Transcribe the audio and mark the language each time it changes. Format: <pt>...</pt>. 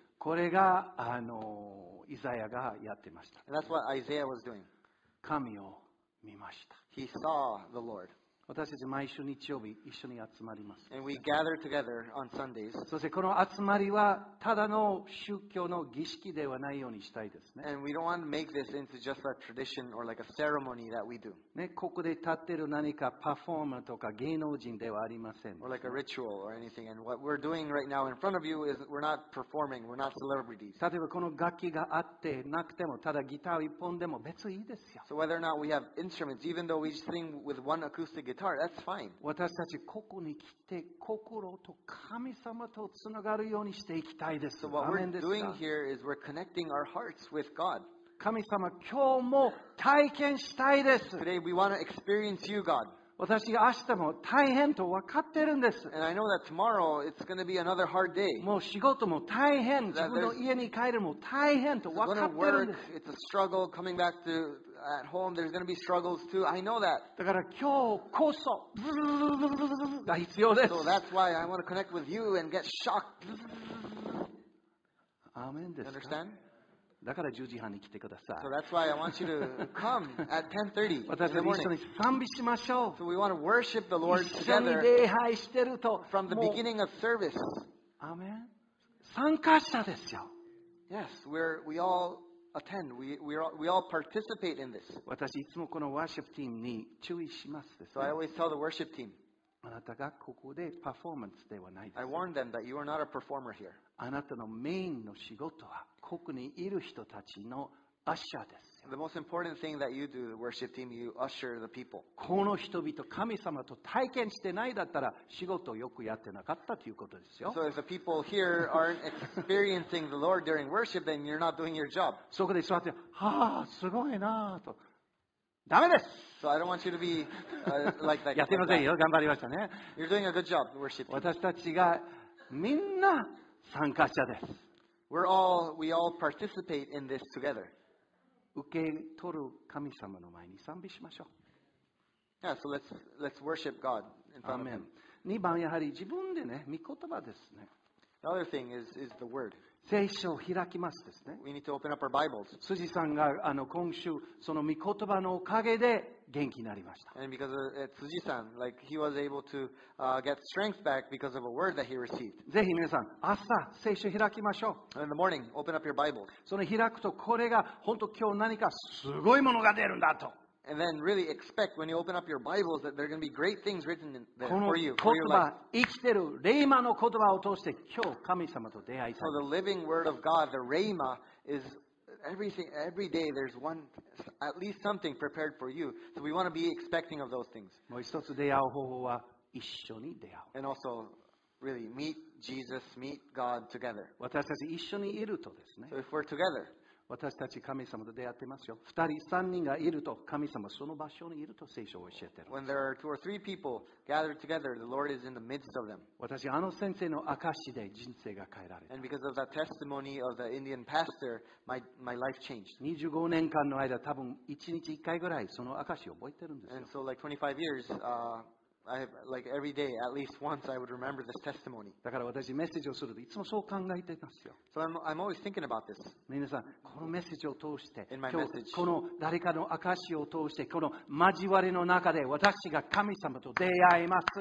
<ja>これがイザヤがやってました。</ja> <en>And that's what Isaiah was doing.</en> <ja>神を見ました。</ja> <en>He saw the Lord.</en> <ja>私たち毎週日曜日一緒に集まります。</ja> <en>And we gather together on Sundays.</en> <ja>そしてこの集まりはただの宗教の儀式ではないようにしたいですね。</ja> <en>And we don't want to make this into just a tradition or like a ceremony that we do.</en> <ja>ね、ここで立ってる何かパフォーマーとか芸能人ではありません。</ja> <en>Or like a ritual or anything. And what we're doing right now in front of you is we're not performing, we're not celebrities.</en> <ja>例えばこの楽器があってなくてもただギター一本でも別にいいですよ。</ja> <en>So whether or not we have instruments, even though we sing with one acousticGuitar, that's fine.</en> <ja>私たちここに来て心と神様とつながるようにしていきたいです。</ja> <en>So what we're doing here is we're connecting our hearts with God.</en> <ja>神様今日も体験したいです。</ja> <en>Today we want to experience you, God.</en> <ja>私明日も大変と分かってるんです。</ja> <en>And I know that tomorrow it's going to be another hard day.</en> <ja>もう仕事も大変、自分の家に帰るも大変と分かってるんです。</ja> <en>It's a struggle coming back to. At home, there's going to be struggles too. I know that.</en> <ja>だから今日こそブルブルブルブルブルが必要です。</ja> <en>So that's why I want to connect with you and get shocked. Amen. Understand?</en> <ja>だから10時半に来てください。</ja> <en>So that's why I want you to come at 10:30 in the morning.</en> <ja>私たち一緒に賛美しましょう。</ja> <en>So we want to worship the Lord together.</en> <ja>一緒に礼拝してると、</ja> <en>from the beginning of service.</en> <ja>Amen. 参加者ですよ。</ja> <en>Yes, we all. Attend. We all participate in this.</en> <ja>私いつもこの worship team に注意しますです、ね。</ja> <en>So I always tell the worship team.</en> <ja>あなたがここでパフォーマンスではないです。</ja> <en>I warn them that you are not a performer here.</en> <ja>あなたのメインの仕事はここにいる人たちの usher です。</ja> <en>The most important thing that you do, the worship team, you usher the people.</en> <ja>この人々神様と体験してないだったら仕事をよくやってなかったということですよ。</ja> <en>So if the people here aren't experiencing the Lord during worship, then you're not doing your job.</en> <ja>そこで座って、はあ、すごいなと。ダメです。</ja> <en>So I don't want you to be like that.</en> <ja>やってませんよ。頑張りましたね。</ja> <en>You're doing a good job, worship team.</en> <ja>私たちがみんな参加者です。</ja> <en>We all participate in this together.</en> <ja>受け取る神様の前に賛美しましょう。</ja> <en>Yeah, so let's worship God in front of Him. Amen.</en> <ja>2番やはり自分でね、御言葉ですね。</ja> <en>The other thing is the word.</en> <ja>聖書を開きますですね。</ja> <en>We need to open up our Bibles.</en> <ja>辻さんが今週その御言葉のおかげで元気になりました。</ja> <en>And because of辻さん, like he was able to get strength back because of a word that he received.</en> <ja>ぜひ皆さん、朝聖書開きましょう。</ja> <en>And in the morning, open up your Bibles.</en> <ja>その開くとこれが本当今日何かすごいものが出るんだと。</ja> <en>And then really expect when you open up your Bibles that there are going to be great things written in there for you, for your life.</en> <ja>この言葉、生きてる霊の言葉を通して今日神様と出会いたい。</ja> <en>So the living word of God, the Rhema, is every day there's one, at least something prepared for you. So we want to be expecting of those things.</en> <ja>もう一つ出会う方法は一緒に出会う。</ja> <en>And also really meet Jesus, meet God together.</en> <ja>私たち一緒にいるとですね。</ja> <en>So if we're together.</en> <ja>私たち神様と出会ってますよ。二人三人がいると神様その場所にいると聖書を教えてる。</ja> <en>When there are two or three people gathered together, the Lord is in the midst of them.</en> <ja>私あの先生の証で人生が変えられた。</ja> <en>And because of that testimony of the Indian pastor, my life changed.</en> <ja>25年間の間多分1日1回ぐらいその証を覚えてるんですよ。</ja> <en>And so like 25 years, I have, like every day, at least once, I would remember this testimony.</en> <ja>だから私メッセージをするといつもそう考えていますよ。</ja> <en>So I'm always thinking about this.</en> <ja>皆さん、このメッセージを通して、今日この誰かの証を通して、この交わりの中で私が神様と出会います。</ja>